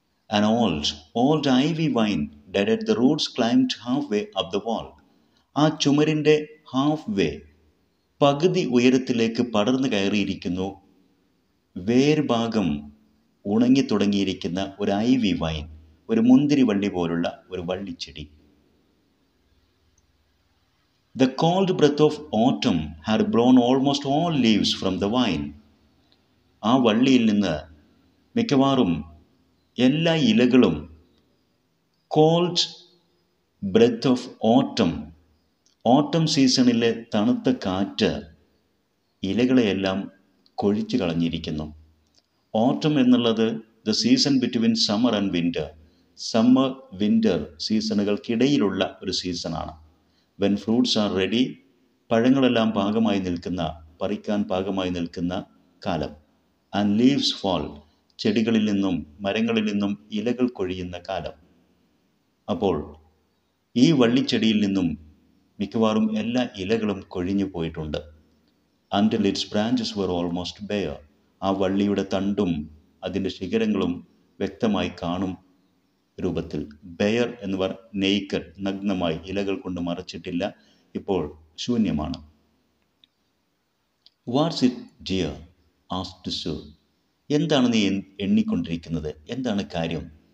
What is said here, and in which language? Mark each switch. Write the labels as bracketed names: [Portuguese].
[English] An old ivy vine dead at the roots climbed halfway up the wall. [Malayalam] ആ ചുമരിൻ്റെ half way, പകുതി ഉയരത്തിലേക്ക് പടർന്നു കയറിയിരിക്കുന്നു, വേർഭാഗം ഉണങ്ങിത്തുടങ്ങിയിരിക്കുന്ന ഒരു ഐവി വൈൻ, ഒരു മുന്തിരി വള്ളി പോലുള്ള ഒരു വള്ളിച്ചെടി. [English] The cold breath of autumn had blown almost all leaves from the vine. [Malayalam] ആ വള്ളിയിൽ നിന്ന് മിക്കവാറും എല്ലാ ഇലകളും, [English] cold breath of autumn, [Malayalam] ഓട്ടം സീസണിലെ തണുത്ത കാറ്റ് ഇലകളെയെല്ലാം കൊഴിച്ചു കളഞ്ഞിരിക്കുന്നു. ഓട്ടം എന്നുള്ളത് [English] the season between summer and winter, [Malayalam] summer winter സീസണുകൾക്കിടയിലുള്ള ഒരു സീസണാണ്. [English] when fruits are ready, [Malayalam] പഴങ്ങളെല്ലാം പാകമായി നിൽക്കുന്ന, പറിക്കാൻ പാകമായി നിൽക്കുന്ന കാലം. [English] and leaves fall, [Malayalam] ചെടികളിൽ നിന്നും മരങ്ങളിൽ നിന്നും ഇലകൾ കൊഴിയുന്ന കാലം. അപ്പോൾ ഈ വള്ളിച്ചെടിയിൽ നിന്നും മിക്കവാറും എല്ലാ ഇലകളും കൊഴിഞ്ഞു പോയിട്ടുണ്ട്. [English] Until its branches were almost bare. [Malayalam] ആ വള്ളിയുടെ തണ്ടും അതിൻ്റെ ശിഖരങ്ങളും വ്യക്തമായി കാണും രൂപത്തിൽ. ബെയർ എന്ന് പറഞ്ഞാൽ നേക്കഡ്, നഗ്നമായി, ഇലകൾ കൊണ്ട് മറച്ചിട്ടില്ല, ഇപ്പോൾ ശൂന്യമാണ്. [English] What's it dear? Asked Sue. [Malayalam] എന്താണ് നീ എണ്ണിക്കൊണ്ടിരിക്കുന്നത്? എന്താണ് കാര്യം?